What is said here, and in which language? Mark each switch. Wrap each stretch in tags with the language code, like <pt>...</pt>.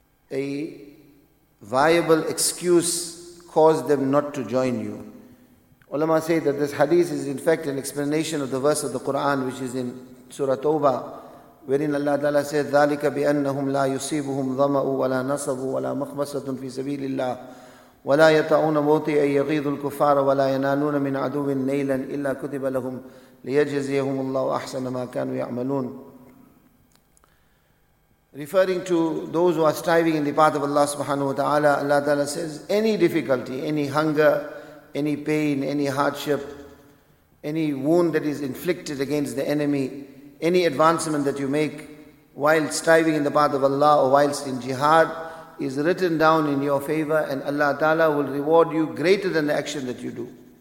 <en>A viable excuse caused them not to join you. Ulama say that this hadith is in fact an explanation of the verse of the Quran which is in Surah Tawbah, wherein Allah Ta'ala says,</en> <ar>ذَلِكَ بِأَنَّهُمْ لَا يُصِيبُهُمْ ظَمَأُ وَلَا نَصَبُ وَلَا مَخْمَسَةٌ فِي سَبِيلِ اللَّهِ ولا يطعون موطئا يغيظ الكفار ولا ينالون من عدو نيلا الا كتب لهم ليجزيهم الله احسن ما كانوا يعملون.</ar> <en>Referring to those who are striving in the path of Allah subhanahu wa ta'ala, Allah ta'ala says, any difficulty, any hunger, any pain, any hardship, any wound that is inflicted against the enemy, any advancement that you make while striving in the path of Allah or whilst in jihad is written down in your favor, and Allah ta'ala will reward you greater than the action that you do.</en>